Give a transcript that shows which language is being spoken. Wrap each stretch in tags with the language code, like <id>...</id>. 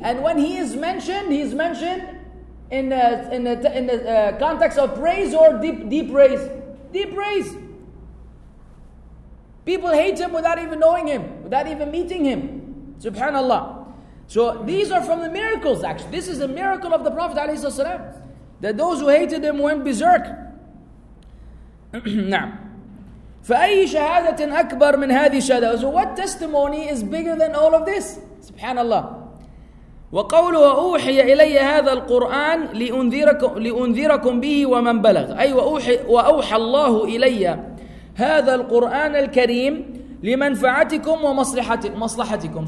<en>And when he is mentioned, he's mentioned in the context of praise or deep praise. Deep praise. People hate him without even knowing him, without even meeting him. Subhanallah. So these are from the miracles, actually. This is a miracle of the Prophet ﷺ, that those who hated him went berserk.</en> <ar>Now, فأي شهادة أكبر من هذه الشهادة.</ar> <en>So what testimony is bigger than all of this? Subhanallah.</en> <ar>وقوله أوحي إلي هذا القرآن لأنذركم به ومن بلغ. أي وأوحى الله إلي هذا القرآن الكريم لمنفعتكم ومصلحتكم.</ar>